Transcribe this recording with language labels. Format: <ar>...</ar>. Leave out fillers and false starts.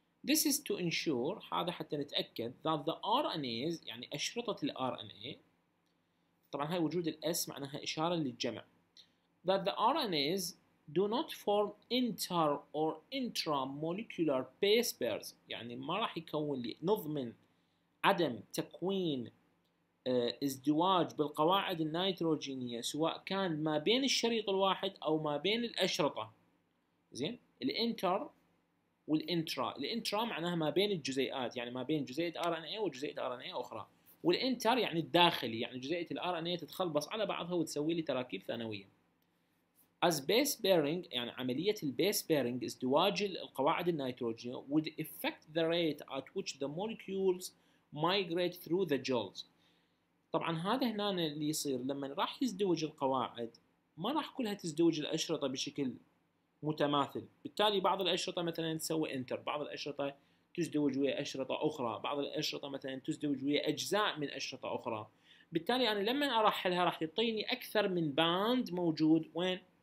<en>This is to ensure،</en> <ar>هذا حتى نتاكد</ar> <en>that the RNAs</en> <ar>يعني اشرطه ال RNA، طبعا هاي وجود الاس معناها اشاره للجمع،</ar> <en>that the RNAs do not form inter or intramolecular base pairs،</en> <ar>يعني ما راح يكون لي، نضمن عدم تكوين ازدواج بالقواعد النيتروجينيه سواء كان ما بين الشريط الواحد او ما بين الاشرطه. زين الانتر والانترا، الانترا معناها ما بين الجزيئات، يعني ما بين جزيئه ار ان اي وجزيئه ار ان اي اخرى، والانتر يعني الداخلي، يعني جزيئه الار ان اي تتخلص على بعضها وتسوي لي تراكيب ثانويه.</ar> <en>As base pairing</en> <ar>يعني عمليه البيس بيرنج ازدواج القواعد النيتروجينيه</ar> <en>would affect the rate at which the molecules migrate through the gels.</en> <ar>طبعا هذا هنا اللي يصير لما راح يزدوج القواعد، ما راح كلها تزدوج الاشرطه بشكل متماثل، بالتالي بعض الاشرطه مثلا تسوي انتر، بعض الاشرطه تزدوج ويا اشرطه اخرى، بعض الاشرطه مثلا تزدوج ويا اجزاء من اشرطه اخرى، بالتالي انا لما ارحلها راح يعطيني اكثر من باند موجود وين؟</ar>